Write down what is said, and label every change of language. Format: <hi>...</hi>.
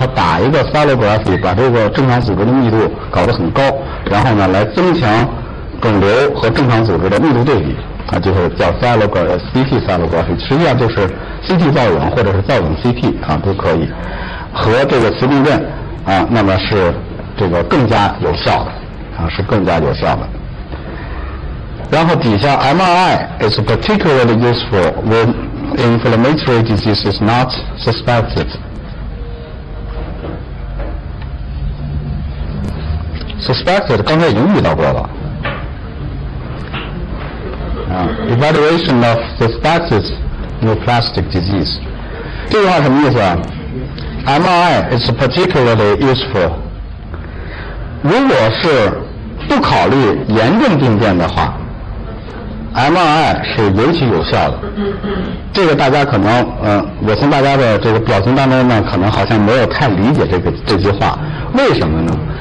<zh>它打一个 scintigraphy， 把这个正常组织的密度搞得很高，然后呢来增强肿瘤和正常组织的密度对比就是叫 CT scintigraphy， 实际上就是 CT 造影或者是造影 CT 都可以，和这个磁共振那么是这个更加有效的是更加有效的。然后底下</zh> <en>MRI is particularly useful when inflammatory disease is not suspected.</en> <zh>Suspected 刚才已经遇到过了。</zh> <en>Evaluation of suspected neoplastic disease.</en> <zh>这句话什么意思</zh> <en>MRI is particularly useful.</en> <zh>如果是不考虑炎症病变的话 ，MRI 是尤其有效的。这个大家可能，我从大家的这个表情当中呢，可能好像没有太理解这句话。为什么呢？</zh>